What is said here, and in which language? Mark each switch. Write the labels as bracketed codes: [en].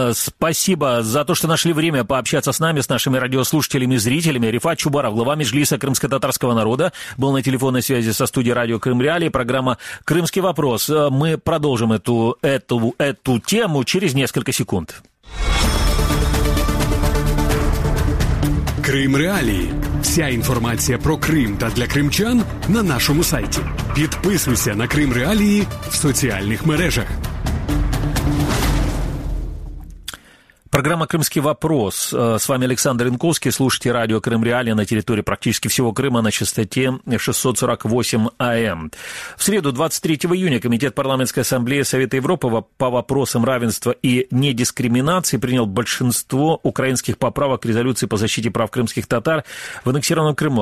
[ru] Спасибо за то, что нашли время пообщаться с нами, с нашими радиослушателями и зрителями. Рифат Чубаров, глава Меджлиса крымско-татарского народа, был на телефонной связи со студией радио «Крым Реалии», программа «Крымский вопрос». Мы продолжим эту тему через несколько секунд. «Крым Реалии». [uk] Вся інформація про Крим та для кримчан на нашому сайті. Підписуйся на Крим Реалії в соціальних мережах. [ru] Программа «Крымский вопрос». С вами Александр Янковский. Слушайте радио «Крым Реалии» на территории практически всего Крыма на частоте 648 АМ. В среду, 23 июня, Комитет Парламентской Ассамблеи Совета Европы по вопросам равенства и недискриминации принял большинство украинских поправок к резолюции по защите прав крымских татар в аннексированном Крыму.